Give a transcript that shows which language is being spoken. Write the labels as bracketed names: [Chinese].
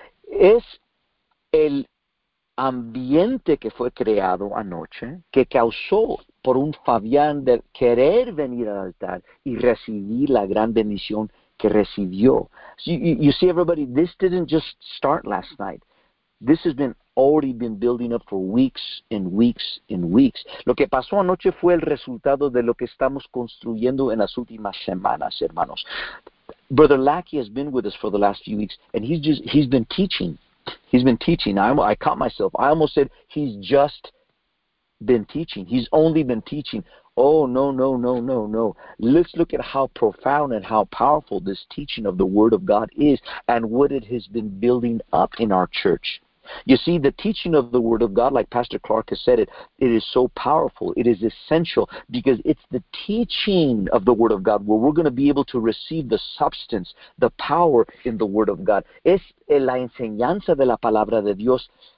[Spanish] Es el ambiente que fue creado anoche que causó por un Fabián de querer venir al altar y recibir la gran bendición que recibió. [English] So you see, everybody, this didn't just start last night. This has been already been building up for weeks and weeks and weeks. [Spanish] Lo que pasó anoche fue el resultado de lo que estamos construyendo en las últimas semanas, hermanos. [English] Brother Lackey has been with us for the last few weeks, and he's been teaching. He's been teaching. I caught myself. I almost said he's just been teaching. He's only been teaching. Oh, no, no, no, no, no. Let's look at how profound and how powerful this teaching of the Word of God is and what it has been building up in our church. You see, the teaching of the Word of God, like Pastor Clark has said it, it is so powerful. It is essential because it's the teaching of the Word of God where we're going to be able to receive the substance, the power in the Word of God. [Spanish] Es la enseñanza de la palabra de Dios.